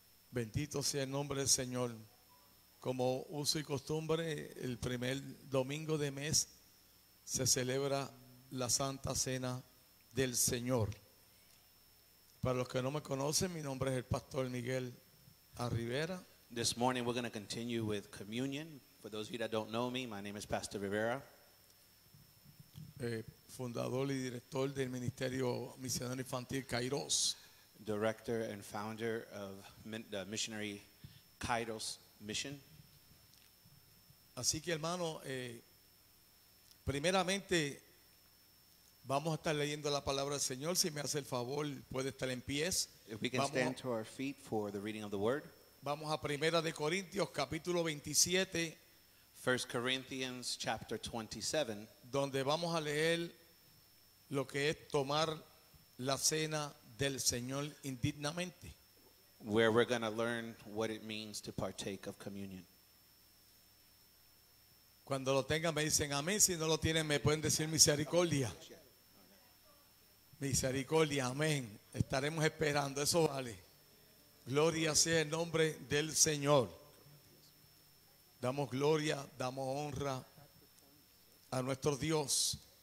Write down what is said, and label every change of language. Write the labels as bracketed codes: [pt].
[es] Bendito sea el nombre del Señor. Como uso y costumbre, el primer domingo de mes se celebra la Santa Cena del Señor. Para los que no me conocen, mi nombre es el Pastor Miguel Rivera. [en] This morning we're going to continue with communion. For those of you that don't know me, my name is Pastor Rivera. [es] Fundador y director del Ministerio Misionero Infantil Kairos. [en] Director and founder of the missionary Kairos Mission. [es] Así que, hermano, primeramente vamos a estar leyendo la palabra del Señor. Si me hace el favor, puede estar en pies. [en] If we can [es] vamos [en] stand to our feet for the reading of the word. [es] Vamos a Primera de Corintios, capítulo 27. [en] 1 Corinthians, chapter 27. [es] Donde vamos a leer lo que es tomar la cena del Señor indignamente. [en] Where we're going to learn what it means to partake of communion. [es] Cuando lo tengan me dicen amén. Si no lo tienen me pueden decir misericordia. Misericordia, amén. Estaremos esperando, eso vale. Gloria sea el nombre del Señor. Damos gloria, damos honra a nuestro Dios.